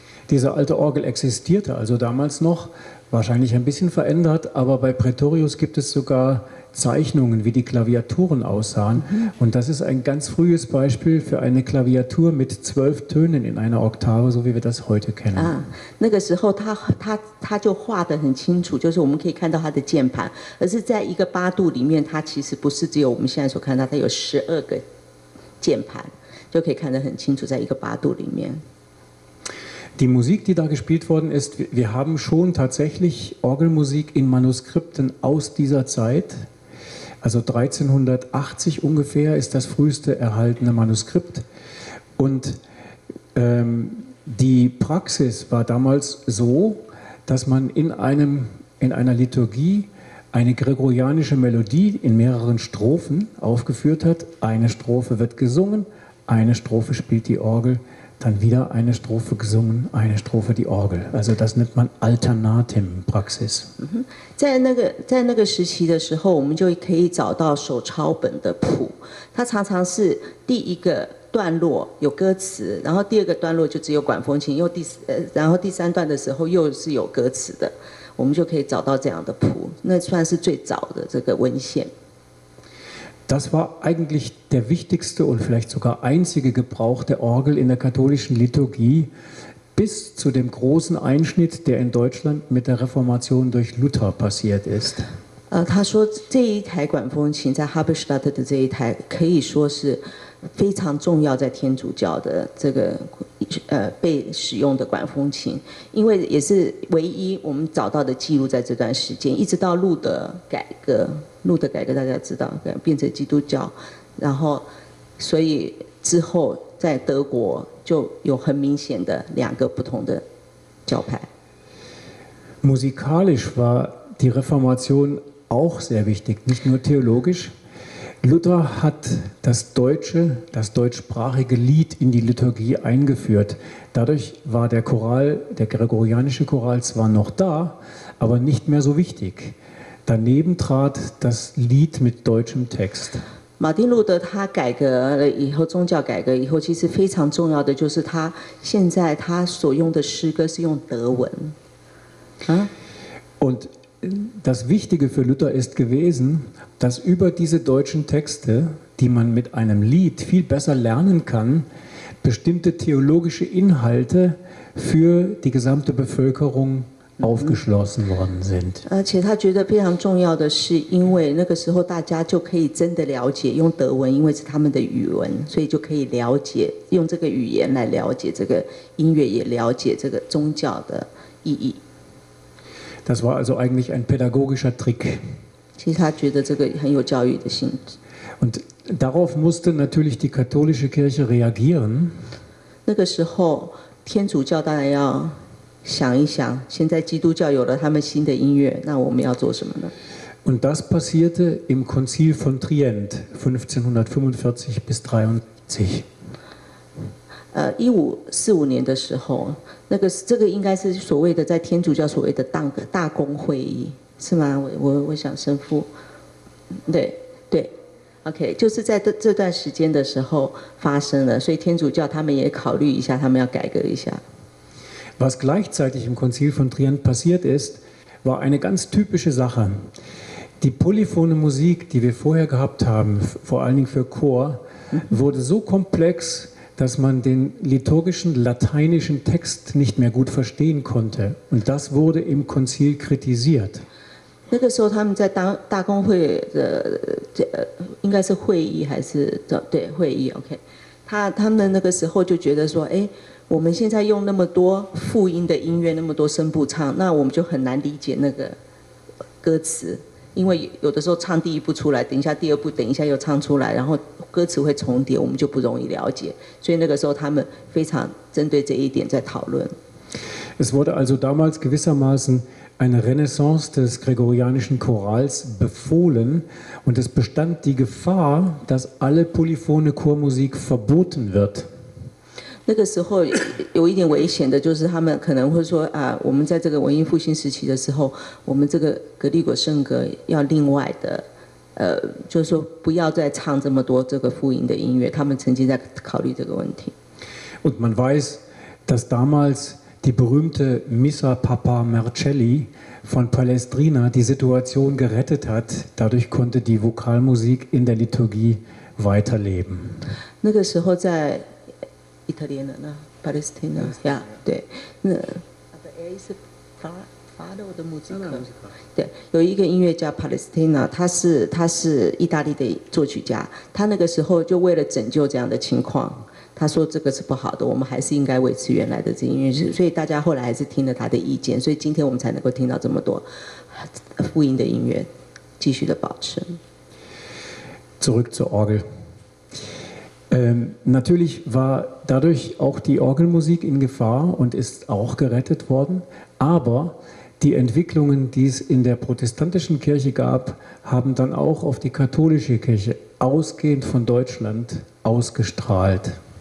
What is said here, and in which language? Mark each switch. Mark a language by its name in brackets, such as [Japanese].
[German] Diese alte Orgel existierte also damals noch, wahrscheinlich ein bisschen verändert, aber bei Praetorius gibt es sogar Zeichnungen, wie die Klaviaturen aussahen. Und das ist ein ganz frühes Beispiel für eine Klaviatur mit 12 Tönen in einer Oktave, so wie wir das heute kennen. [Chinese] 那个时候他就画得很清楚，就是我们可以看到他的键盘，而是在一个八度里面，他其实不是只有我们现在所看到，他有十二个键盘，就可以看得很清楚，在一个八度里面。 [German] Die Musik, die da gespielt worden ist, wir haben schon tatsächlich Orgelmusik in Manuskripten aus dieser Zeit. Also 1380 ungefähr ist das früheste erhaltene Manuskript. Und die Praxis war damals so, dass man in einer Liturgie eine gregorianische Melodie in mehreren Strophen aufgeführt hat. Eine Strophe wird gesungen, eine Strophe spielt die Orgel. Dann wieder eine Strophe gesungen, eine Strophe die Orgel. Also das nennt man Alternatim-Praxis. [Chinese] 在那个时期的时候，我们就可以找到手抄本的谱。它常常是第一个段落有歌词，然后第二个段落就只有管风琴，又第三段的时候又是有歌词的。我们就可以找到这样的谱，那算是最早的这个文献。 [German] Das war eigentlich der wichtigste und vielleicht sogar einzige Gebrauch der Orgel in der katholischen Liturgie bis zu dem großen Einschnitt, der in Deutschland mit der Reformation durch Luther passiert ist. [Chinese] 他说这一台管风琴在哈布斯堡的这一台可以说是非常重要在天主教的这个被使用的管风琴，因为也是唯一我们找到的记录在这段时间，一直到路德改革。路德改革大家知道，变成基督教，然后所以之后在德国就有很明显的两个不同的教派。 [German] Musikalisch war die Reformation auch sehr wichtig, nicht nur theologisch. Luther hat das deutschsprachige Lied in die Liturgie eingeführt. Dadurch war der Choral, der gregorianische Choral zwar noch da, aber nicht mehr so wichtig. Daneben trat das Lied mit deutschem Text. [Chinese] Martin Luther, 他改革了以后，宗教改革以后，其实非常重要的就是他现在他所用的诗歌是用德文。 [German] Und das Wichtige für Luther ist gewesen, dass über diese deutschen Texte, die man mit einem Lied viel besser lernen kann, bestimmte theologische Inhalte für die gesamte Bevölkerung. Aufgeschlossen worden sind. [Chinese] 而且他觉得非常重要的是，因为那个时候大家就可以真的了解用德文，因为是他们的语文，所以就可以了解用这个语言来了解这个音乐，也了解这个宗教的意义。 [German] Das war also eigentlich ein pädagogischer Trick. [Chinese] 其实他觉得这个很有教育的性质。 [German] Und darauf musste natürlich die katholische Kirche reagieren. [Chinese] 那个时候天主教当然要。想一想，现在基督教有了他们新的音乐，那我们要做什么呢 [German] ？Und das passierte im Konzil von Trient 1545-1573. [Chinese] 1545年的时候，那个这个应该是所谓的在天主教所谓的大公会议，是吗？我想神父，对对 ，OK， 就是在这段时间的时候发生了，所以天主教他们也考虑一下，他们要改革一下。 [German] Was gleichzeitig im Konzil von Trient passiert ist, war eine ganz typische Sache. Die polyphone Musik, die wir vorher gehabt haben, vor allen Dingen für Chor, wurde so komplex, dass man den liturgischen lateinischen Text nicht mehr gut verstehen konnte. Und das wurde im Konzil kritisiert. [Chinese] 那个时候他们在大公会的，应该是会议还是对会议 ？OK， 他们的那个时候就觉得说，哎，我们现在用那么多复音的音乐，那么多声部唱，那我们就很难理解那个歌词。因为有的时候唱第一部出来，等一下第二部，等一下又唱出来，然后歌词会重叠，我们就不容易了解。所以那个时候他们非常针对这一点在讨论。 [German] Es wurde also damals gewissermaßen eine Renaissance des gregorianischen Chorals befohlen, und es bestand die Gefahr, dass alle polyphone Chormusik verboten wird. [Chinese] 那个时候有一点危险的，就是他们可能会说啊，我们在这个文艺复兴时期的时候，我们这个格里果圣歌要另外的，就是说不要再唱这么多这个复音的音乐。他们曾经在考虑这个问题。 [German] Und man weiß, dass damals die berühmte Missa Papa Marcelli von Palestrina die Situation gerettet hat. Dadurch konnte die Vokalmusik in der Liturgie weiterleben. [Chinese] 那个时候在意大利人呢 ，Palestina， 呀，对，那 ， [English] the A is father of the music， [Chinese] 对，有一个音乐家 Palestina， 他是意大利的作曲家，他那个时候就为了拯救这样的情况。他说这个是不好的，我们还是应该维持原来的这音乐，所以大家后来还是听了他的意见，所以今天我们才能够听到这么多复音的音乐继续的保持。 [German] Zurück zur Orgel. Natürlich war dadurch auch die Orgelmusik in Gefahr und ist auch gerettet worden, aber die Entwicklungen, die es in der protestantischen Kirche gab, haben dann auch auf die katholische Kirche ausgehend von Deutschland ausgestrahlt.